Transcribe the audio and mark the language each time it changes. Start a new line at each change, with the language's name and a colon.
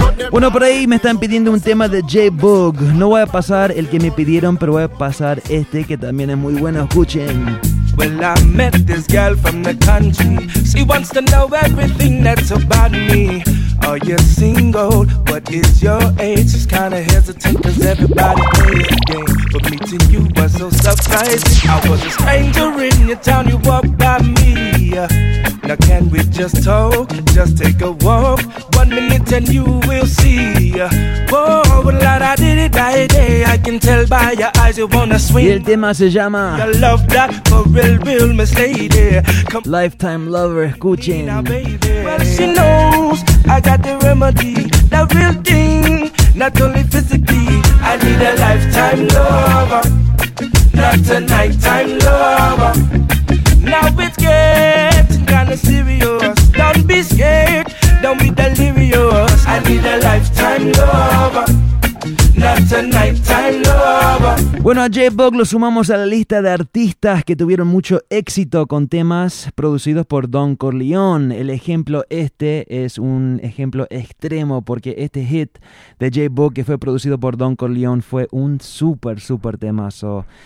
Spanish: Bueno, por ahí me están pidiendo un tema de J-Boog. No voy a pasar el que me pidieron, pero voy a pasar este que también es muy bueno. Escuchen.
English: Well, I met this girl from the country. She wants to know everything that's about me. Are you single? What is your age? She's kind of hesitant because everybody plays a game. But meeting you was so surprising. I was a stranger in your town. You walked by me. Now can we just talk? Just take a walk. 1 minute and you will see. Oh, Lord, I did it by day. I can tell by your eyes.
Spanish: Y el tema se llama Lifetime Lover, escuchen.
English: Well, she knows I got the remedy, the real thing, not only physically. I need a lifetime lover, not a nighttime lover. Now it's getting kinda serious. Don't be scared, don't be delirious. I need a lifetime lover, not a lover.
Spanish: Bueno, a J-Bug lo sumamos a la lista de artistas que tuvieron mucho éxito con temas producidos por Don Corleone. El ejemplo este es un ejemplo extremo porque este hit de J-Bug que fue producido por Don Corleone fue un súper, súper temazo.